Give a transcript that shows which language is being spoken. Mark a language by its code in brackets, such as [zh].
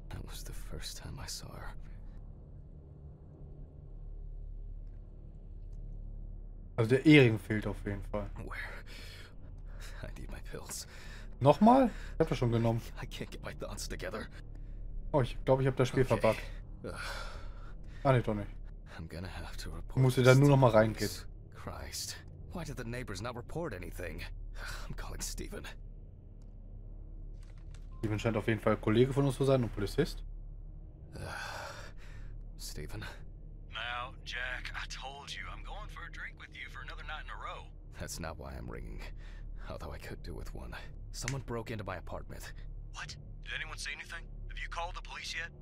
[en] That was the first time I saw her. [de] Also der Ehering fehlt auf jeden Fall. [en] Where? I need my pills. [de] Nochmal? Ich hab das schon genommen. [en] I can't get my thoughts together. [de] Oh, ich glaube, ich habe das Spiel okay. Verbuggt. Ah, nee, doch nicht. [en] I'm gonna have to report. [de] Ich muss dir da nur nochmal reingehen. [en] Christ. Why did the neighbors not report anything? I'm calling Steven. [de] Steven scheint auf jeden Fall Kollege von uns zu sein und Polizist. [en] Steven. Now, Jack, I told you, I'm going for a drink with you for another night in a row. That's not why I'm ringing. Although I could do with one. Someone broke into my apartment. What? Did anyone see anything? Have you called the police yet?